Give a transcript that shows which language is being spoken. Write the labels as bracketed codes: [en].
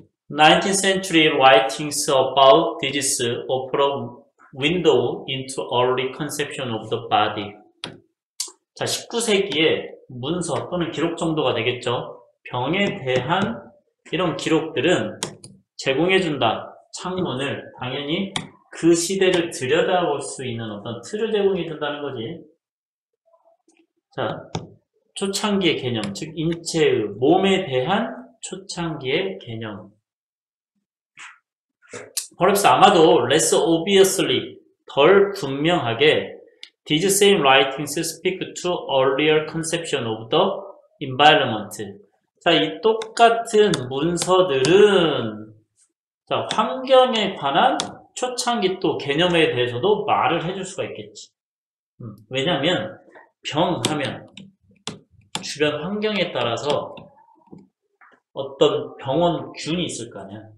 [en] 19th century writings about disease offer a window into early conception of the body. [ko] 자, 19세기에 문서 또는 기록 정도가 되겠죠. 병에 대한 이런 기록들은 제공해준다. 창문을 당연히 그 시대를 들여다볼 수 있는 어떤 틀을 제공해준다는 거지. 자, 초창기의 개념, 즉 인체의 몸에 대한 초창기의 개념. 그래서 아마도 [en] less obviously, [ko] 덜 분명하게 [en] these same writings speak to earlier conception of the environment. [ko] 자, 이 똑같은 문서들은 자, 환경에 관한 초창기 또 개념에 대해서도 말을 해줄 수가 있겠지. 왜냐하면 병 하면 주변 환경에 따라서 어떤 병원균이 있을 거 아니야.